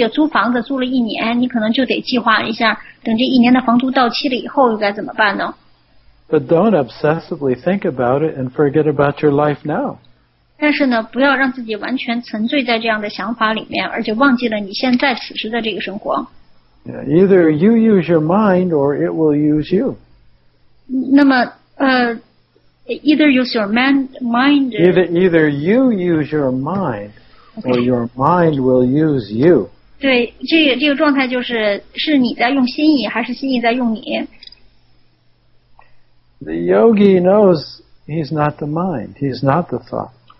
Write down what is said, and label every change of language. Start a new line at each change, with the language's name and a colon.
Chinese: 比如说你这个租房子租了一年, 你可能就得计划一下等这一年的房租到期了以后该怎么办呢?
English: But don't obsessively think about it and forget about your life now.
Chinese: 但是呢, 不要让自己完全沉醉在这样的想法里面, 而且忘记了你现在此时的这个生活。
English: Yeah, either you use your mind or it will use you. 那么, either use your mind. Either you use your mind or your mind will use you.
Chinese: 对，这个状态就是是你在用心意，还是心意在用你。
English: The yogi knows he's not the mind, he's not the thought.